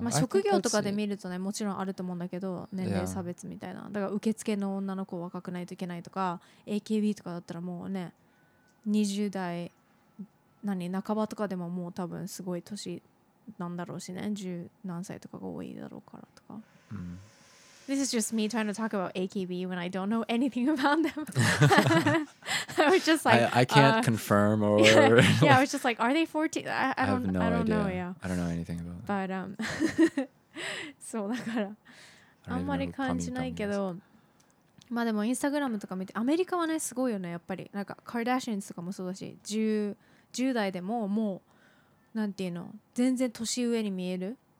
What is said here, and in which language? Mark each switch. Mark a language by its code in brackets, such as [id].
[ja] まあ職業とかで見るとね、もちろんあると思うんだけど、年齢差別みたいな。だから受付の女の子若くないといけないとか、AKB とかだったらもうね、20代、何、半ばとかでももう多分すごい年なんだろうしね、10何歳とかが多いだろうからとか。 [en] This is just me trying to talk about AKB when I don't know anything about them. I was just like, I can't confirm or. yeah, I was just like, are they 14? I don't, have no I don't idea. Know, yeah. I don't know anything about them. But, so, [ja] だから、あんまり感じないけど、まあでも、インスタグラムとか見て、アメリカはね、すごいよね、やっぱり。なんか、カーダシアンズとかもそうだし、10代でももう、なんていうの、全然年上に見える。